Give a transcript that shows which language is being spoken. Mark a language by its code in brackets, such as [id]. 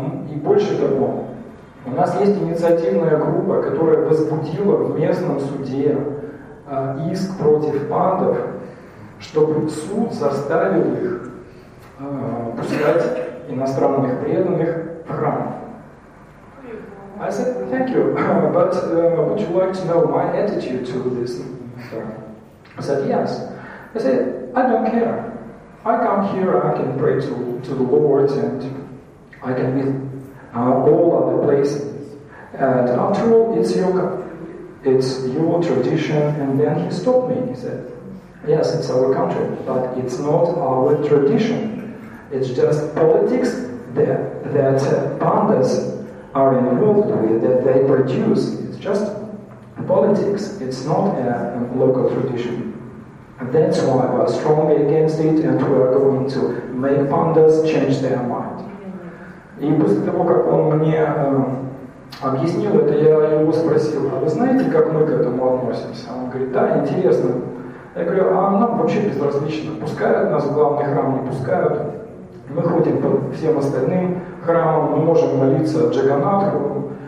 [ru] И больше того, у нас есть инициативная группа, которая возбудила в местном суде иск против пандов, чтобы суд заставил их пускать иностранных преданных в храм." [en] I said, "Thank you, but would you like to know my attitude to this?" I said, "Yes." I said, "I don't care. I come here, I can pray to the Lord, and I can meet all other places. And after all, it's your tradition." And then he stopped me. He said, "Yes, it's our country, but it's not our tradition. It's just politics that pandas are involved with, that they produce. It's just politics. It's not a local tradition. And that's why we're strongly against it, and we're going to make pandas change their mind." [ru] И после того, как он мне объяснил это, я его спросил: "А вы знаете, как мы к этому относимся?" Он говорит: "Да, интересно." Я говорю: "А нам вообще безразлично. Пускают нас в главный храм, не пускают. Мы ходим по всем остальным храмам, мы можем молиться Джаганнатху.